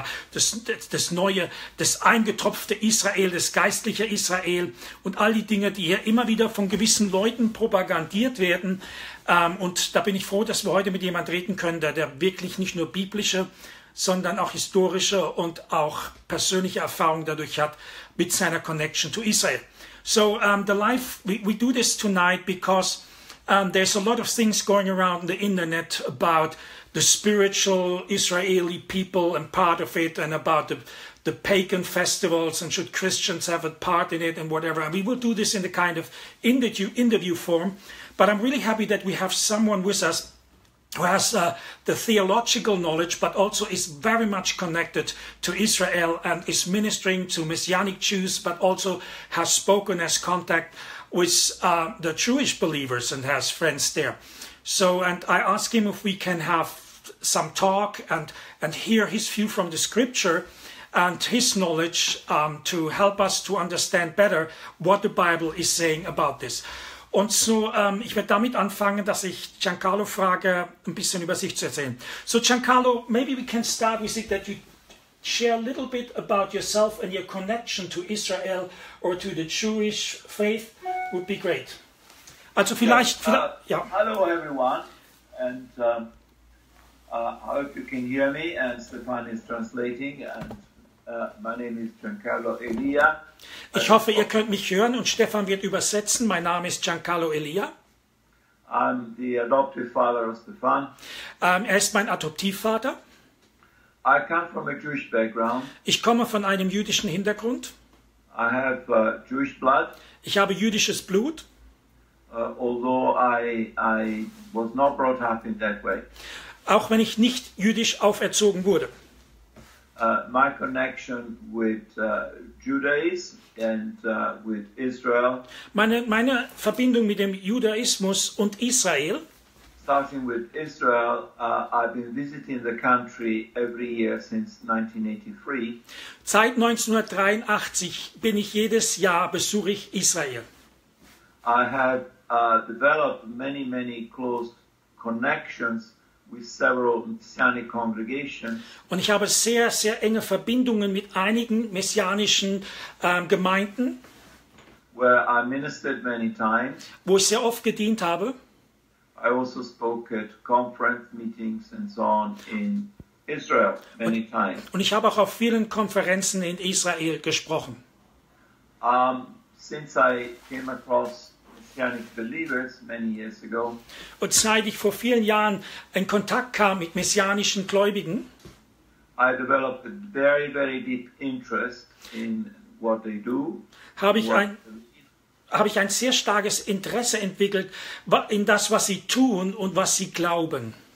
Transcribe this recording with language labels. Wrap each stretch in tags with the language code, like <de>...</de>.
<de>Oder das neue, das eingetropfte Israel, das geistliche Israel und all die Dinge, die hier immer wieder von gewissen Leuten propagandiert werden. Und da bin ich froh, dass wir heute mit jemandem reden können, der wirklich nicht nur biblische, sondern auch historische und auch persönliche Erfahrungen dadurch hat mit seiner</de> <en>Connection to</en> <de>Israel.</de> <en>So the live, we do this tonight because there's a lot of things going around on the internet about the spiritual Israeli people and part of it and about the pagan festivals and should Christians have a part in it and whatever. And we will do this in the kind of interview form. But I'm really happy that we have someone with us who has the theological knowledge, but also is very much connected to Israel and is ministering to Messianic Jews, but also has spoken, has contact with the Jewish believers and has friends there. So, and I ask him if we can have some talk and hear his view from the scripture and his knowledge to help us to understand better what the Bible is saying about this.</en> <de>Und so, ich werde damit anfangen, dass ich Giancarlo frage, ein bisschen über sich zu erzählen.</de> <en>So Giancarlo, maybe we can start with it that you share a little bit about yourself and your connection to Israel or to the Jewish faith would be great.</en> <de>Also vielleicht,</de> <en>yes. Hello everyone, and I hope you can hear me, and Stefan is translating, and my name is Giancarlo Elia.</en> <de>Ich hoffe, ihr könnt mich hören und Stefan wird übersetzen. Mein Name ist Giancarlo Elia.</de> <en>I'm the adoptive father of Stefan.</en> <de>Er ist mein Adoptivvater.</de> <en>I come from a Jewish background.</en> <de>Ich komme von einem jüdischen Hintergrund.</de> <en>I have Jewish blood.</en> <de>Ich habe jüdisches Blut.</de> <en>Although I was not brought up in that way.</en> <de>Auch wenn ich nicht jüdisch auferzogen wurde.</de> <en>My connection with Judaism and with Israel.</en> <de>Meine Verbindung mit dem Judaismus und Israel.</de> <en>Starting with Israel, I've been visiting the country every year since 1983.</en> <de>Seit 1983 bin ich jedes Jahr besuche ich Israel.</de> <en>I have developed many, many close connections with several messianic congregations.</en> <de>Und ich habe sehr, sehr enge Verbindungen mit einigen messianischen Gemeinden,</de> <en>where I ministered many times.</en> <de>Wo ich sehr oft gedient habe.</de> <en>I also spoke at conference meetings and so on in Israel many times.</en> <de>Und ich habe auch auf vielen Konferenzen in Israel gesprochen.</de> <en>Since I came across Messianic believers many years ago.</en> <de>Und seit ich vor vielen Jahren in Kontakt kam mit messianischen Gläubigen,</de> <en>I developed a very, very deep interest in what they do.</en> <de>Habe ich ein sehr starkes Interesse entwickelt in das, was sie tun und was sie glauben.</de>